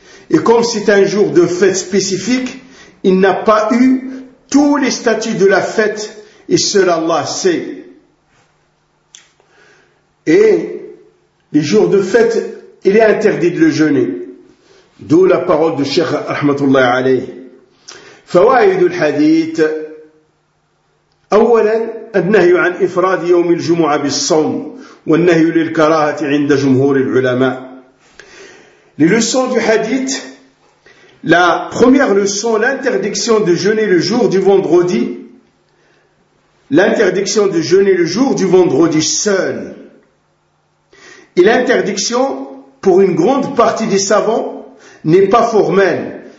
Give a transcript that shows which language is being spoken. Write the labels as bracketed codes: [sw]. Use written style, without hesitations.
[fr] Et comme c'est un jour de fête spécifique, il n'a pas eu tous les statuts de la fête, et seul Allah sait. Et les jours de fête, il est interdit de le jeûner. D'où la parole du Cheikh [ar] Rahmatullah Alayh. فوائد الحديث أولا النهي عن إفراد يوم الجمعة بالصوم والنهي للكراهة عند جمهور العلماء. [fr] Les leçons du hadith, la première leçon, l'interdiction de jeûner le jour du vendredi, l'interdiction de jeûner le jour du vendredi seul, et l'interdiction pour une grande partie des savants n'est pas formelle.